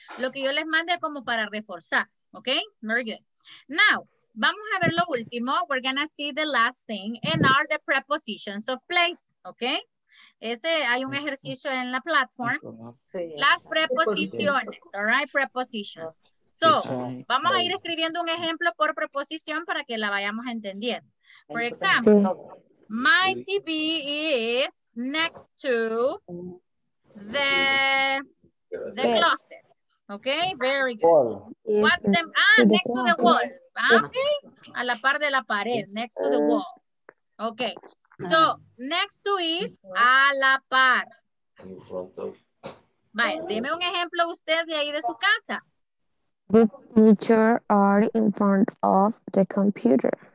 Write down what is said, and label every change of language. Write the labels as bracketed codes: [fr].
[es] Lo que yo les mande como para reforzar. [en] Okay? Very good. Now, [es] vamos a ver lo último. [en] We're gonna see the last thing and are the prepositions of place. [es] Okay? Ese, hay un ejercicio en la platform. Las preposiciones. [en] All right? Prepositions. [es] So, vamos a ir escribiendo un ejemplo por preposición para que la vayamos entendiendo. [en] For example, my TV is next to the closet. Okay, very good. What's the, next to the wall. Okay, [es] a la par de la pared, [en] next to the wall. Okay, so next to is [es] a la par. Vale, deme un ejemplo usted de ahí de su casa. [en] The teacher are in front of the computer.